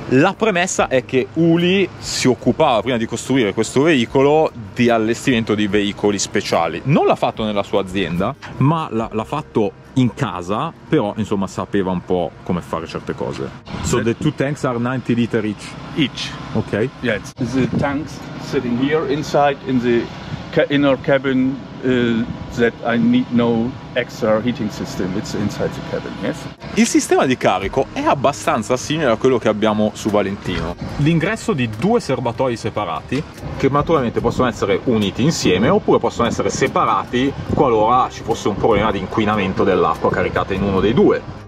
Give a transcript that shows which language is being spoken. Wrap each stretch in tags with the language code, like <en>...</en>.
<it>La premessa è che Uli si occupava, prima di costruire questo veicolo, di allestimento di veicoli speciali. Non l'ha fatto nella sua azienda, ma l'ha fatto in casa, però insomma sapeva un po' come fare certe cose.</it> <en>So the two tanks are 90 liter each. Each. Okay. Yes. The tanks sitting here inside in the inner cabin that I need no extra heating system. It's inside the cabin, yes?</en> <it>Il sistema di carico è abbastanza simile a quello che abbiamo su Valentino. L'ingresso di due serbatoi separati, che naturalmente possono essere uniti insieme oppure possono essere separati qualora ci fosse un problema di inquinamento dell'acqua caricata in uno dei due.</it>